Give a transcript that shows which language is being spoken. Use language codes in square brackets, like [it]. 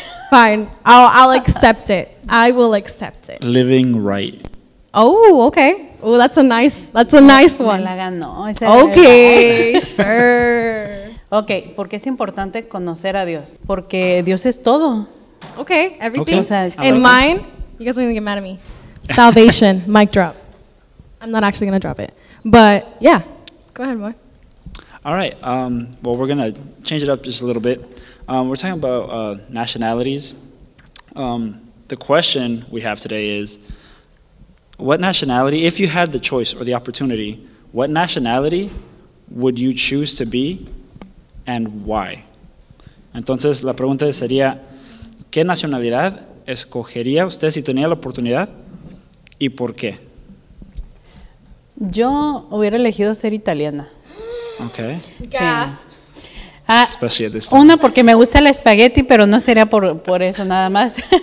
[en] Fine. I'll accept it. I will accept it. Living right. Oh, okay. Oh, that's a nice one. [es] La ganó. [en] Okay, sure. [es] Okay, ¿por qué es importante conocer a Dios? Porque Dios es todo. [en] Okay, everything. Okay. And mine, you guys are going to get mad at me. Salvation, mic drop. I'm not actually going to drop it. But yeah, go ahead, boy. All right, well, we're going to change it up just a little bit. We're talking about nationalities. The question we have today is, what nationality, if you had the choice or the opportunity, what nationality would you choose to be and why? [es] Entonces, la pregunta sería, ¿qué nacionalidad escogería usted si tenía la oportunidad y por qué? Yo hubiera elegido ser italiana. [en] Okay. Gasps. [es] Sí. Una, porque me gusta el espagueti, pero no sería por eso nada más.